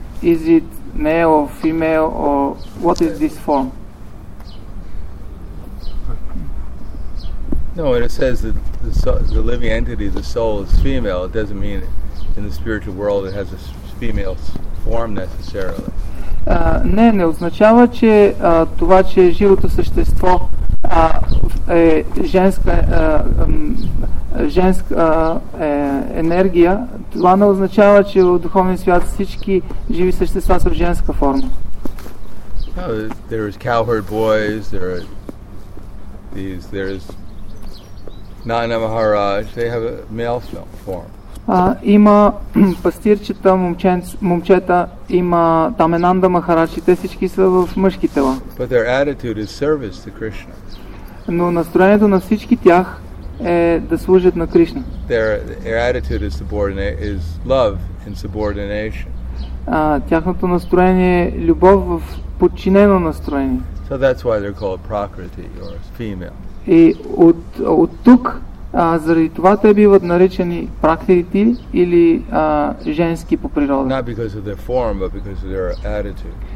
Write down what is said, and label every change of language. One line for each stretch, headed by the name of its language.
English: Is it male or female, or what is this form? No, when it says that the living entity, the soul, is female, it doesn't mean in the spiritual world it has a female form necessarily.
Bulgarian: Не, не означава, че това, че живото същество е женска, женска енергия, това не означава, че в духовния свят всички живи същества са в женска форма.
English: No, there is cowherd boys, there is Nana Maharaj, they have a male form.
Bulgarian: Има пастирчета, момчета, има Тамананда Махарадж, те всички са в мъжки тела.
English: But their attitude is service to Krishna.
Bulgarian: Но настроението на всички тях е да служат на Кришна.
English: Their attitude is subordinate, is love and subordination.
Bulgarian: Тяхното настроение е любов в подчинено настроение.
English: So that's why they're called Prakriti or female.
Bulgarian: И от тук, заради това те биват наричани практики или женски по природа.
English: Not because of their form, but because of their attitude.